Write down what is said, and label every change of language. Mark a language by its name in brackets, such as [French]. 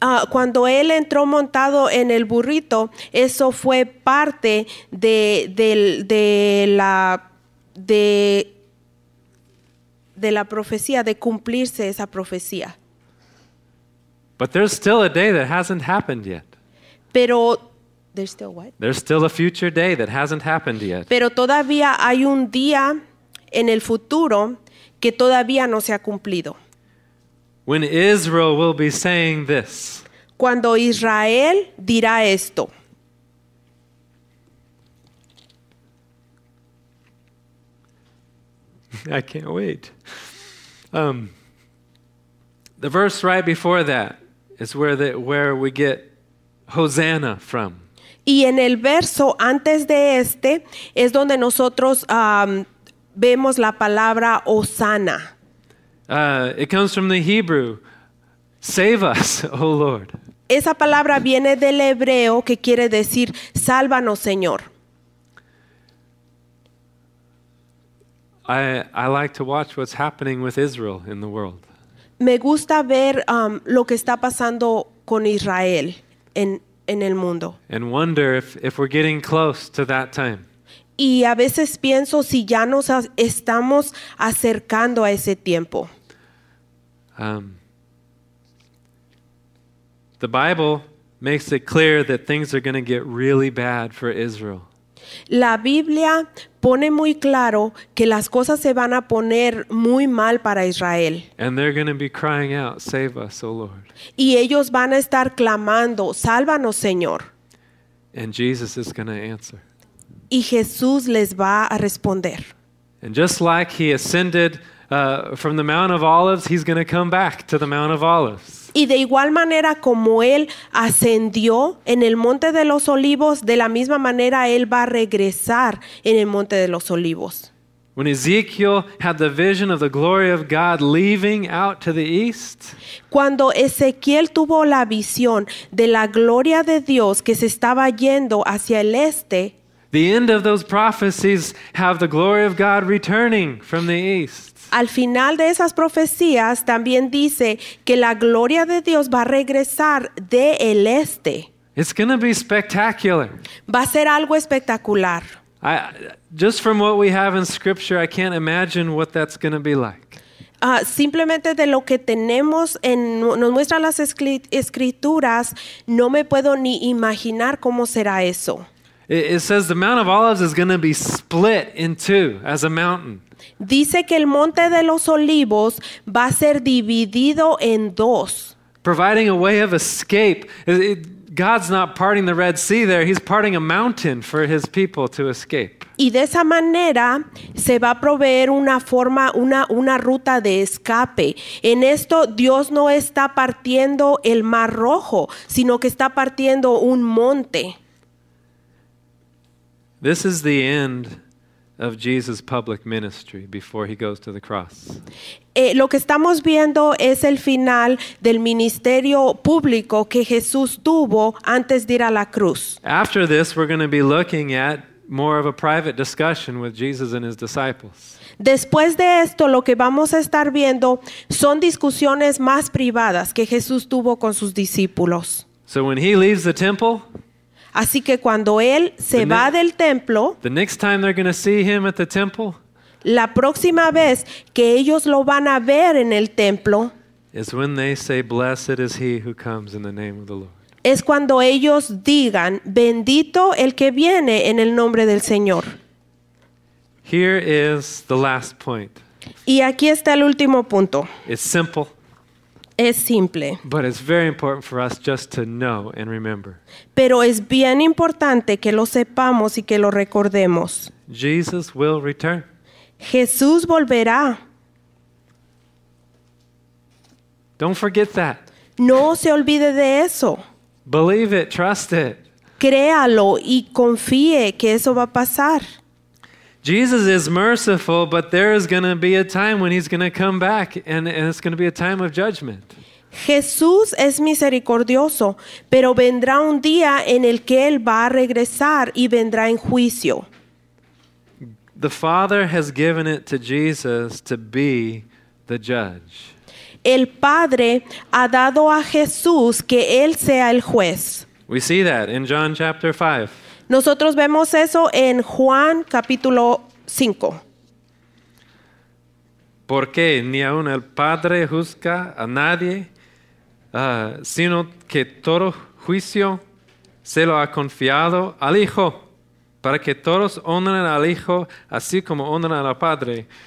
[Spanish] Cuando él entró montado en el burrito, eso fue parte de la profecía, de cumplirse esa profecía. [English] But there's still a day that hasn't happened yet. [Spanish] Pero [English] there's still what? There's still a future day that hasn't happened yet. [Spanish] Pero todavía hay un día en el futuro que todavía no se ha cumplido. [English] When Israel will be saying this. [Spanish] Cuando Israel dirá esto. [English] I can't wait. The verse right before that is where we get Hosanna from. [Spanish] Y en el verso antes de este es donde nosotros vemos la palabra Hosanna. [English] It comes from the Hebrew, save us, O Lord. [Spanish] Esa palabra viene del hebreo que quiere decir sálvanos, Señor. [English] I like to watch what's happening with Israel in the world. [Spanish] Me gusta ver lo que está pasando con Israel en el mundo. [English] And wonder if we're getting close to that time. [Spanish] Y a veces pienso si ya nos estamos acercando a ese tiempo. [English] The Bible makes it clear that things are going to get really bad for Israel. [Spanish] La Biblia pone muy claro que las cosas se van a poner muy mal para Israel. [English] And they're going to be crying out, "Save us, O Lord." [Spanish] Y ellos van a estar clamando, "Sálvanos, Señor." [English] And Jesus is going to answer. [Spanish] Y Jesús les va a responder. [English] And just like he ascended from the Mount of Olives, he's going to come back to the Mount of Olives. [Spanish] Y de igual manera como él ascendió en el Monte de los Olivos, de la misma manera él va a regresar en el Monte de los Olivos. [English] When Ezekiel had the vision of the glory of God leaving out to the east. [Spanish] Cuando Ezequiel tuvo la visión de la gloria de Dios que se estaba yendo hacia el este. [English] The end of those prophecies have the glory of God returning from the east. [Spanish] Al final de esas profecías también dice que la gloria de Dios va a regresar de el este. [English] It's going to be spectacular. [Spanish] Va a ser algo espectacular. [English] Just from what we have in scripture, I can't imagine what that's going to be like. [Spanish] Simplemente de lo que tenemos en nos muestran las escrituras, no me puedo ni imaginar cómo será eso. [English] It says the Mount of Olives is going to be split in two as a mountain. [Spanish] Dice que el Monte de los Olivos va a ser dividido en dos. [English] Providing a way of escape. God's not parting the Red Sea there. He's parting a mountain for his people to escape. [Spanish] Y de esa manera se va a proveer una forma, una ruta de escape. En esto Dios no está partiendo el Mar Rojo, sino que está partiendo un monte. [English] This is the end of Jesus' public ministry before he goes to the cross. [Spanish] Lo que estamos viendo es el final del ministerio público que Jesús tuvo antes de ir a la cruz. [English] After this, we're going to be looking at more of a private discussion with Jesus and his disciples. [Spanish] Después de esto, lo que vamos a estar viendo son discusiones más privadas que Jesús tuvo con sus discípulos. [English] So when he leaves the temple, [Spanish] así que cuando él se va del templo, [English] the next time they're going to see him at the temple, [Spanish] la próxima vez que ellos lo van a ver en el templo, [English] is when they say, "Blessed is he who comes in the name of the Lord." [Spanish] Es cuando ellos digan, "Bendito el que viene en el nombre del Señor." [English] Here is the last point. [Spanish] Y aquí está el último punto. [English] It's simple. [Spanish] Es simple. [English] But it's very important for us just to know and remember. [Spanish] Pero es bien importante que lo sepamos y que lo recordemos. [English] Jesus will return. [Spanish] Jesús volverá. [English] Don't forget that. [Spanish] No se olvide de eso. [English] Believe it, trust it. [Spanish] Créalo y confíe que eso va a pasar. [English] Jesus is merciful, but there is going to be a time when he's going to come back and it's going to be a time of judgment. [Spanish] Jesús es misericordioso, pero vendrá un día en el que él va a regresar y vendrá en juicio. [English] The Father has given it to Jesus to be the judge. [Spanish] El Padre ha dado a Jesús que él sea el juez. [English] We see that in John chapter 5. [Spanish] Nosotros vemos eso en Juan capítulo 5. Porque ni aun el Padre juzga a nadie, sino que todo juicio se lo ha confiado al Hijo, para que todos honren al Hijo así como honran al Padre.